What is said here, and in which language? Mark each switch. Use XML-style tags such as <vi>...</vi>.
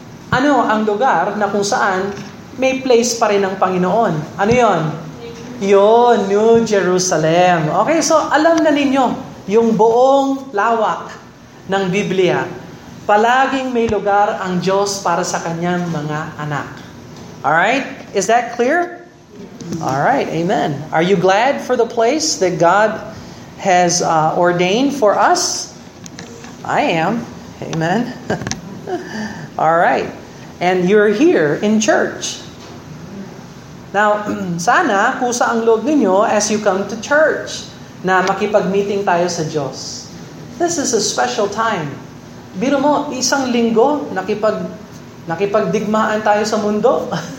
<tl>Ano ang lugar na kung saan may place pa rin ng Panginoon? Ano yon? Yon, New Jerusalem. Okay, so alam na ninyo. Yung buong lawak ng Biblia, palaging may lugar ang Diyos para sa kanyang mga anak.</tl> <en>All right? Is that clear? All right. Amen. Are you glad for the place that God has ordained for us? I am. Amen. All right. And you're here in church. Now, sana kusa ang loob ninyo as you come to church.</en> <tl>Na makipag-meeting tayo sa Diyos. This is a special time. Biro mo, isang linggo, nakipagdigmaan tayo sa mundo.</tl>